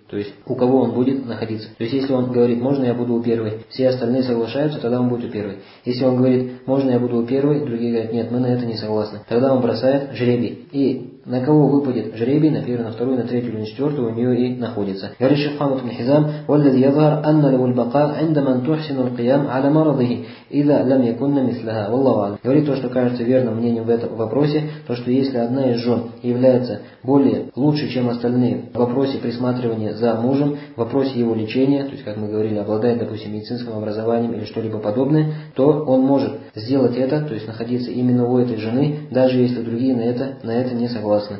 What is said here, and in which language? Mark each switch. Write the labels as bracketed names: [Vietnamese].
[Russian] То есть у кого он будет находиться. То есть если он говорит, можно я буду у первой, все остальные соглашаются, тогда он будет у первой. Если он говорит, можно я буду у первой, другие говорят, нет, мы на это не согласны. Тогда он бросает жребий. И на кого выпадет жребий, на первую, на вторую, на третью или на четвертую, у нее и находится. Говорит шейх [Arabic] Мухаммад ибн Хизам, والذي يظهر أن له البقاء عند من تحسن القيام على مرضه إذا لم يكن مثلها والله أعلم. [Russian] Говорит то, что кажется верным мнению в этом вопросе, то, что если одна из жен является более лучше, чем остальные в вопросе присматривания за мужем, в вопросе его лечения, то есть, как мы говорили, обладает, допустим, медицинским образованием или что-либо подобное, то он может сделать это, то есть находиться именно у этой жены, даже если другие на это не согласны.